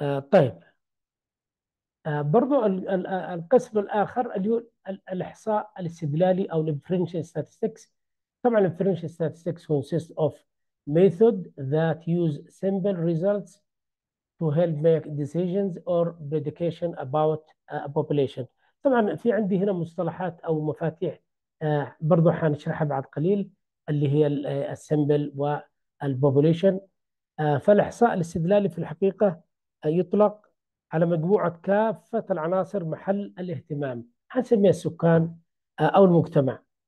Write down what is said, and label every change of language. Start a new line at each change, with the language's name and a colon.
Arabic: طيب برضو القسم الآخر اللي هو الإحصاء الاستدلالي أو الانفرنشال ستاتستكس. طبعا الانفرنشال ستاتستكس
English: consists of method that use simple results to help make decisions or prediction about a population.
Arabic: طبعا في عندي هنا مصطلحات أو مفاتيح برضو حنشرحها بعد قليل، اللي هي السمبل والبوبوليشن. فالإحصاء الاستدلالي في الحقيقة يطلق على مجموعة كافة العناصر محل الاهتمام، حنسميها السكان أو المجتمع.